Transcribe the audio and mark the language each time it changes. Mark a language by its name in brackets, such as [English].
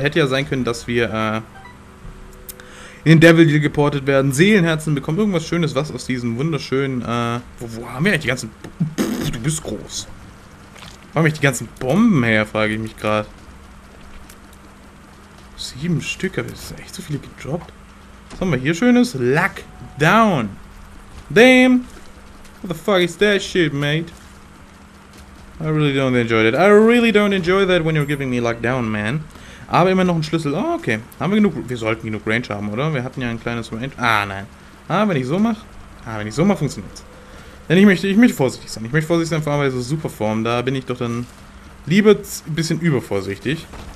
[German] Hätte ja sein können, dass wir in den Devil Deal geportet werden. Seelenherzen bekommen. Irgendwas Schönes. Was aus diesem wunderschönen. Wo haben wir eigentlich die ganzen. Pff, du bist groß. Wo haben wir die ganzen Bomben her, frage ich mich gerade. 7 Stück. Aber das ist echt so viele gedroppt. Was haben wir hier Schönes? [English] Luck down. Damn. What the fuck is that shit, mate? I really don't enjoy that. I really don't enjoy that when you're giving me lockdown, man. [German] Aber immer noch ein Schlüssel. Oh, okay. Haben wir genug. Wir sollten genug Range haben, oder? Wir hatten ja ein kleines Range. Ah, nein. Ah, wenn ich so mache. Ah, wenn ich so mache, funktioniert es. Denn ich möchte vorsichtig sein. Ich möchte vorsichtig sein, vor allem bei so Superform. Da bin ich doch dann lieber ein bisschen übervorsichtig.